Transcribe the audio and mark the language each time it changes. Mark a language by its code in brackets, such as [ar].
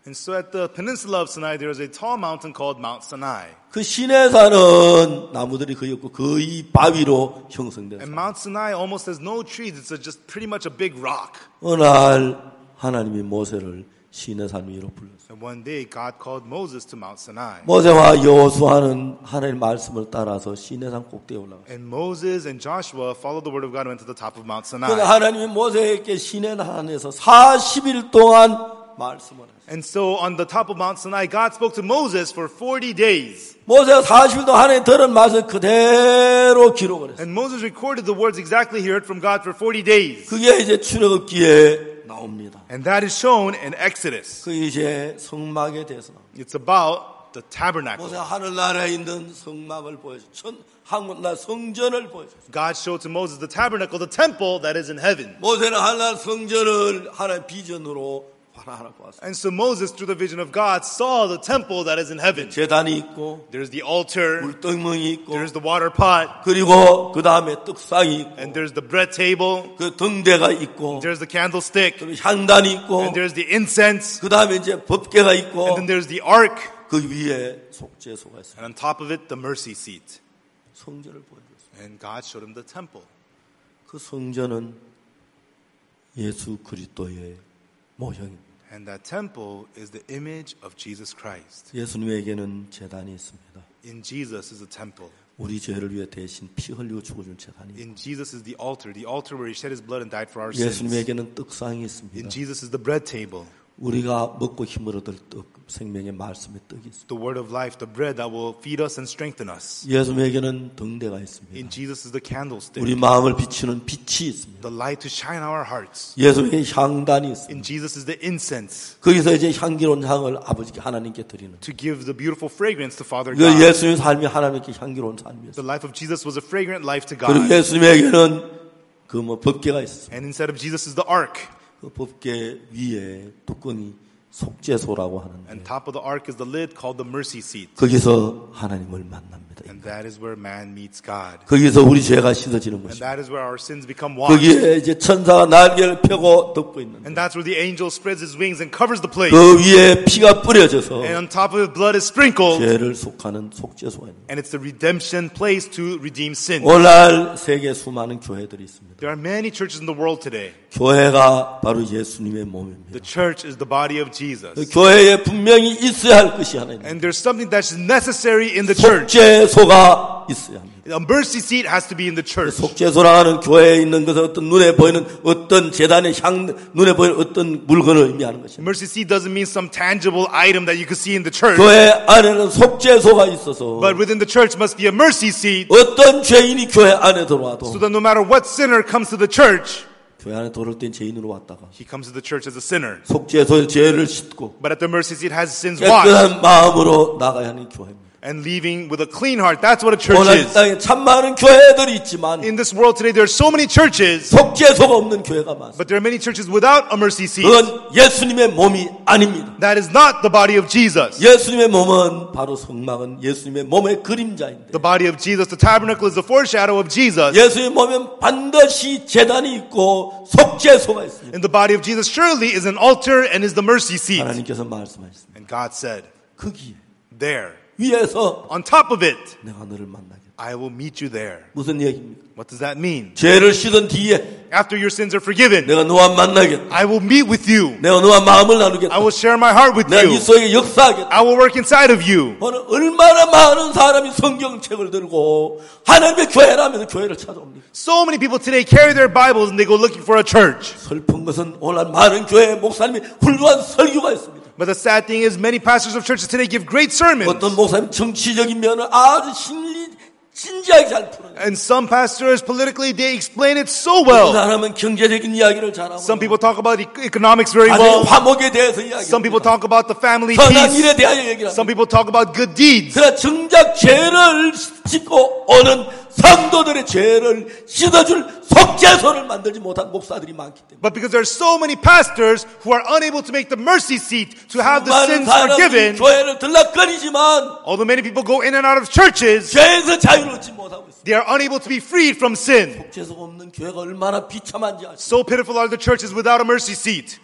[en] And so at the peninsula of Sinai, there is a tall mountain called Mount Sinai. [ko] 그 시내산은 나무들이 거의 없고 거의 바위로 형성된 산. [en] And Mount Sinai almost has no trees. It's just pretty much a big rock. [ko] 어느 날 하나님이 모세를 시내산 위로 불렀어요. [en] And one day God called Moses to Mount Sinai. [ko] 모세와 여호수아는 하나님 말씀을 따라서 시내산 꼭대기에 올라갔어요. [en] And Moses and Joshua followed the word of God and went to the top of Mount Sinai. [ko] 그런데 하나님이 모세에게 시내산에서 40일 동안 말씀을 [en] And so on the top of Mount Sinai, God spoke to Moses for 40 days. [ko] 모세가 40일 동안 하나님 들은 말씀 그대로 기록을 했어요. [en] And Moses recorded the words exactly he heard from God for 40 days. [ko] 그게 이제 출애굽기에 나옵니다. [en] And that is shown in Exodus. [ko] 그 이제 성막에 대해서 나옵니다. [en] It's about the tabernacle. [ko] 모세가 하늘나라에 있는 성막을 보여줘. 하늘나 성전을 보여줘. [en] God showed to Moses the tabernacle, the temple that is in heaven. [ko] 모세는 하늘나라 성전을 하나님 비전으로 [en] And so Moses, through the vision of God, saw the temple that is in heaven. [ko] 제단이 있고, [en] there's the altar. [ko] 물떡멍이 있고, [en] there's the water pot. [ko] 그리고 그 다음에 떡상이 있고, [en] and there's the bread table. [ko] 그 등대가 있고, [en] there's the candlestick. [ko] 그리고 향단이 있고, [en] and there's the incense. [ko] 그 다음에 이제 법궤가 있고, [en] and then there's the ark. [ko] 그 위에 속죄소가 있어. [en] And on top of it, the mercy seat. [ko] 성전을 보여줬어. [en] And God showed him the temple. [ko] 그 성전은 예수 그리스도의 모형이. [en] And that temple is the image of Jesus Christ. [ko] 예수님에게는 제단이 있습니다. [en] In Jesus is a temple. [ko] 우리 죄를 위해 대신 피 흘리고 죽어준 제단이. [en] In Jesus is the altar where he shed his blood and died for our sins. [ko] 예수님에게는 떡상이 있습니다. [en] In Jesus is the bread table. [ko] 우리가 먹고 힘을 얻을 떡, 생명의 말씀의 떡이 있습니다. [en] The word of life, the bread that will feed us and strengthen us. [ko] 예수님에게는 등대가 있습니다. [en] In Jesus is the candlestick. [ko] 우리 마음을 비추는 빛이 있습니다. [en] The light to shine our hearts. [ko] 예수님에게 향단이 있습니다. [en] In Jesus is the incense. [ko] 거기서 이제 향기로운 향을 아버지께 하나님께 드리는. [en] To give the beautiful fragrance to Father God. [ko] 그 예수님 삶이 하나님께 향기로운 삶이었습니다. [en] The life of Jesus was a fragrant life to God. [ko] 그리고 예수님에게는 그 뭐 법궤가 있습니다. [en] And instead of Jesus is the ark. [ko] 그 법궤 위에 뚜껑이 속죄소라고 하는데. [en] And top of the ark is the lid called the mercy seat. [ko] 거기서 하나님을 만납니다. [en] And that is where man meets God. [ko] 거기서 우리 죄가 씻어지는 것이. [en] And that is where our sins become washed. [ko] 거기에 이제 천사가 날개를 펴고 덮고 있는. [en] And that's where the angel spreads his wings and covers the place. [ko] 그 위에 피가 뿌려져서. [en] And on top of it, blood is sprinkled. [ko] 죄를 속하는 속죄소에. [en] And it's the redemption place to redeem sin. [ko] 오늘 세계 수많은 교회들이 있습니다. [en] There are many churches in the world today. [ko] 교회가 바로 예수님의 몸입니다. [en] The church is the body of Jesus. [ko] 교회에 분명히 있어야 할 것이 하나입니다. [en] And there's something that's necessary in the church. [ko] 속죄소가 있어야 합니다. [en] A mercy seat has to be in the church. [ko] 속죄소라는 교회에 있는 것은 어떤 눈에 보이는 어떤 제단의 향, 눈에 보이는 어떤 물건을 의미하는 것입니다. [en] Mercy seat doesn't mean some tangible item that you could see in the church. [ko] 교회 안에는 속죄소가 있어서. [en] But within the church must be a mercy seat. [ko] 어떤 죄인이 교회 안에 들어와도. [en] So that no matter what sinner comes to the church. [ko] 교회 안에 들어올 땐 죄인으로 왔다가 [en] He comes to the church as a sinner. [ko] 속죄소에 죄를 씻고 [en] But at the mercy seat has sins [ko] 깨끗한 마음으로 나가야 하는 교회입니다. [en] And leaving with a clean heart, that's what a church is. [ko] 오늘 땅에 참 많은 교회들이 있지만 [en] In this world today, there are so many churches. [ko] 속죄소가 없는 교회가 많습니다. [en] But there are many churches without a mercy seat. [ko] 그건 예수님의 몸이 아닙니다. [en] That is not the body of Jesus. [ko] 예수님의 몸은 바로 성막은 예수님의 몸의 그림자인데 [en] The body of Jesus, the tabernacle is the foreshadow of Jesus. [ko] 예수님 몸은 반드시 제단이 있고 속죄소가 있습니다. [en] And the body of Jesus surely is an altar and is the mercy seat. [ko] 하나님께서 말씀하셨습니다. [en] And God said, [ko] 거기 [en] There. [ko] 위에서 [en] On top of it. [ko] 내가 너를 만나게. [en] I will meet you there. [ko] 무슨 얘기입니까? [en] What does that mean? [ko] 죄를 씻은 뒤에 [en] After your sins are forgiven. [ko] 내가 너와 만나겠다. [en] I will meet with you. [ko] 내가 너와 마음을 나누겠다. [en] I will share my heart with you. [ko] 내가 네 속에 역사하겠다. [en] I will work inside of you. [ko] 얼마나 많은 사람이 성경책을 들고 하나님의 교회라면서 교회를 찾아옵니까? [en] So many people today carry their Bibles and they go looking for a church. [ko] 슬픈 것은 오늘 많은 교회 목사님이 훌륭한 설교가 있습니다. [en] But the sad thing is many pastors of churches today give great sermons. [ko] 어떤 목사님 정치적인 면을 아주 신리 진지하게 잘 풀어요. [en] And some pastors politically they explain it so well. [ko] 어떤 사람은 경제적인 이야기를 잘하고 [en] Some people talk about economics very well. [ko] 화목에 대해서 이야기. [en] Some people talk about the family peace. [ko] 선한 일에 대하여 얘기를. [en] Some people talk about good deeds. [ko] 그러나 정작 죄를 짓고 오는 성도들의 죄를 씻어줄 속죄소를 만들지 못한 목사들이 많기 때문에. [en] But because there are so many pastors who are unable to make the mercy seat to have the sins forgiven. [ko] 교회를 들락거리지만. [en] Although many people go in and out of churches. [ko] 죄에서 자유롭지 못하고 있어. [en] They are unable to be freed from sin. [ko] 속죄소 없는 교회가 얼마나 비참한지 아세요? [en] So pitiful are the churches without a mercy seat.